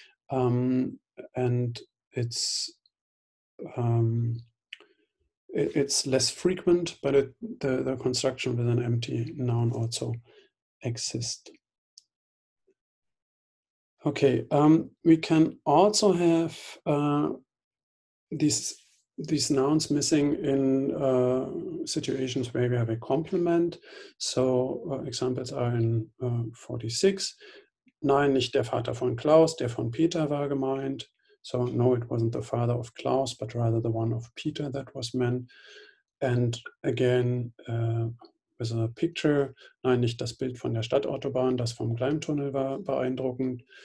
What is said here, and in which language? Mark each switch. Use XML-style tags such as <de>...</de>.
<en>And it's less frequent, but the construction with an empty noun also exists. Okay, we can also have these nouns missing in situations where we have a complement. So examples are in 46.</en> <de>Nein, nicht der Vater von Klaus, der von Peter war gemeint.</de> <en>So no, it wasn't the father of Klaus, but rather the one of Peter that was meant. And again, with a picture.</en> <de>Nein, nicht das Bild von der Stadtautobahn, das vom Gleimtunnel war beeindruckend.</de>